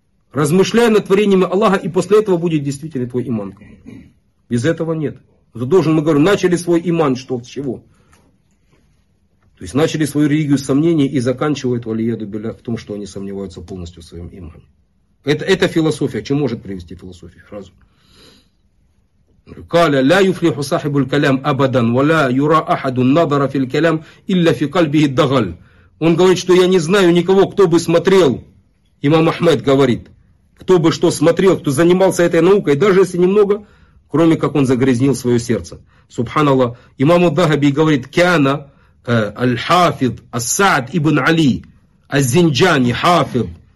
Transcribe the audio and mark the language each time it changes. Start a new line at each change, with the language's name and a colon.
Russian: Размышляя над творениями Аллаха, и после этого будет действительно твой иман. Без этого нет. Ты должен, мы говорим, начали свой иман, что, с чего? То есть начали свою религию с сомнений и заканчивают валияду биля в том, что они сомневаются полностью в своем имане. Это философия. Чем может привести философия? Разум.
Arabic: قال لا يفلح صاحب الكلام ابدا ولا يرى احد نظر في الكلام الا في قلبه الدغل.
Russian: Он говорит, что я не знаю никого, кто бы смотрел. Имам Ахмед говорит, кто бы что смотрел, кто занимался этой наукой, даже если немного, кроме как он загрязнил свое сердце. Субханаллах. Имам Ад-Дахаби говорит,
Arabic: кана аль-хафид ас-Саад ибн Али аз-Зинджани хафид.